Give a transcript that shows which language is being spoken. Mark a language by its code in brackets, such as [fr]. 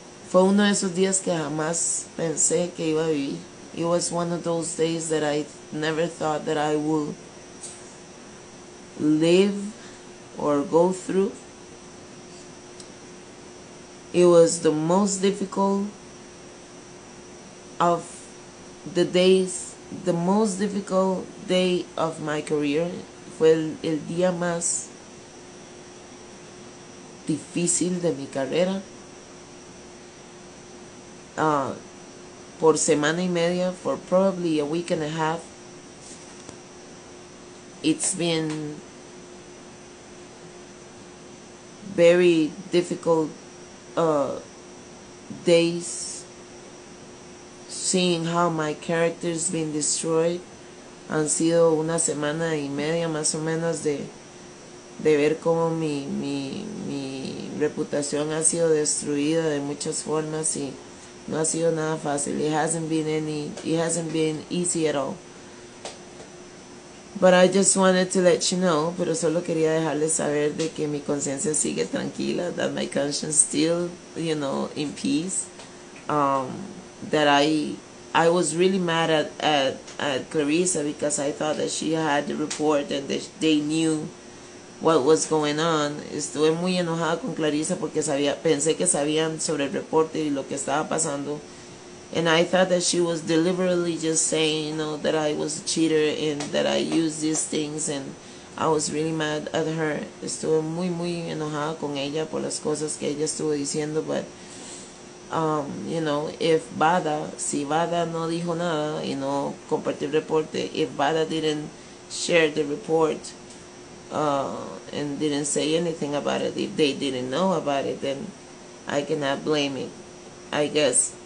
[es] Fue uno de esos días que jamás pensé que iba a vivir. [en] It was one of those days that I never thought that I would live or go through. It was the most difficult of the days, the most difficult day of my career. [es] Fue el día más difícil de mi carrera. Por semana y media, [en] for probably a week and a half, it's been very difficult days, seeing how my character's been destroyed. [es] Han sido una semana y media más o menos de ver cómo mi reputación ha sido destruida de muchas formas y no ha sido nada fácil. [en] It hasn't been easy at all. But I just wanted to let you know, [es] pero solo quería dejarles saber de que mi conciencia sigue tranquila, [en] that my conscience still, you know, in peace. That I was really mad at Claressa because I thought that she had the report and that they knew what was going on. [es] Estuve muy enojada con Claressa porque pensé que sabían sobre el reporte y lo que estaba pasando. [en] And I thought that she was deliberately just saying, you know, that I was a cheater and that I used these things, and I was really mad at her. [es] Estuve muy, muy enojada con ella por las cosas que ella estuvo diciendo, [en] but, you know, [es] si Bada no dijo nada y no compartió el reporte, [en] if Bada didn't share the report and didn't say anything about it, if they didn't know about it, then I cannot blame it, I guess.